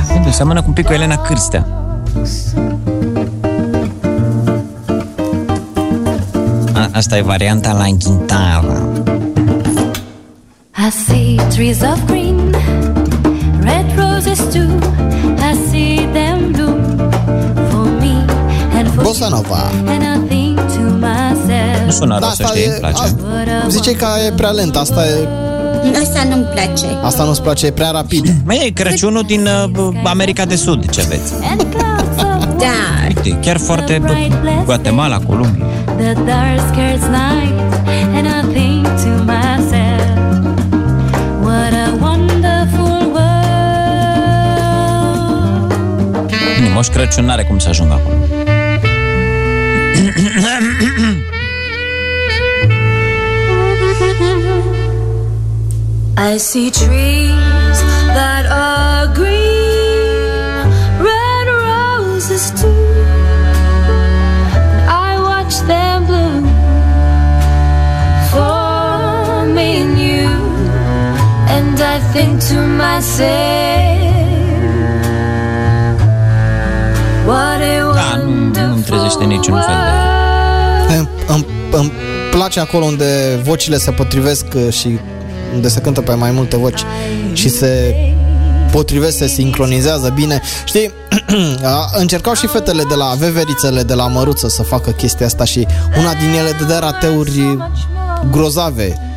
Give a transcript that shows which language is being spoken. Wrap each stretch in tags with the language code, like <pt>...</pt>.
<ro>Seamănă cu un pic cu Elena Cârstea. Asta e varianta la ghintară.</ro> <en>I see trees of green, red roses too. I see them bloom for me and for Bossa Nova. And I think to</en> <ro>myself. Nu sună rău, să știi, îmi place. Zice că e prea lent, asta e... Asta nu-mi place. Asta nu-ți place, e prea rapid. Mai e Crăciunul din America de Sud, ce aveți? Da. Uite, chiar foarte Guatemala, Columbia.</ro> <en>The dark scares night and I think to myself, what a wonderful world.</en> <ro>Bine, Moș Crăciun n-are cum să ajungă acolo.</ro> <en>I see trees that are green, red roses too, and I watch them bloom for me and you, and I think to myself, what a wonderful world.</en> <ro>Îmi place acolo unde vocile se potrivesc și unde se cântă pe mai multe voci și se potrivește, se sincronizează bine. Știi, încercau și fetele de la veverițele de la Măruță să facă chestia asta și una din ele dădea rateuri grozave.</ro>